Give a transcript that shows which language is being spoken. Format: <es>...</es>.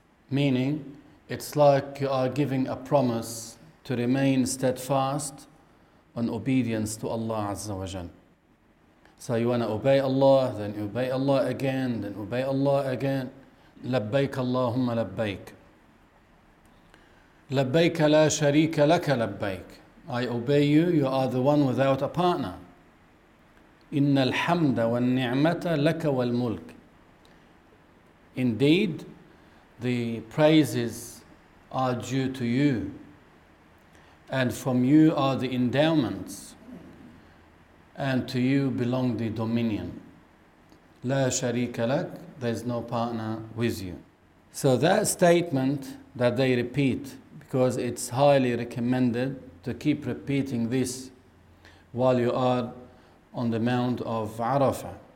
<en>Meaning, it's like you are giving a promise to remain steadfast on obedience to Allah Azza wa Jal. So you want to obey Allah, then obey Allah again, then obey Allah again.</en> <ar>لبيك اللهم لبيك. لبيك لا شريك لك لبيك.</ar> <en>I obey you, you are the one without a partner.</en> <ar>إن الحمد والنعمة لك والملك.</ar> <en>Indeed, the praises are due to you, and from you are the endowments, and to you belong the dominion.</en> <ar>لا شريك لك,</ar> <en>there is no partner with you. So that statement that they repeat, because it's highly recommended to keep repeating this while you are on the Mount of Arafah.</en>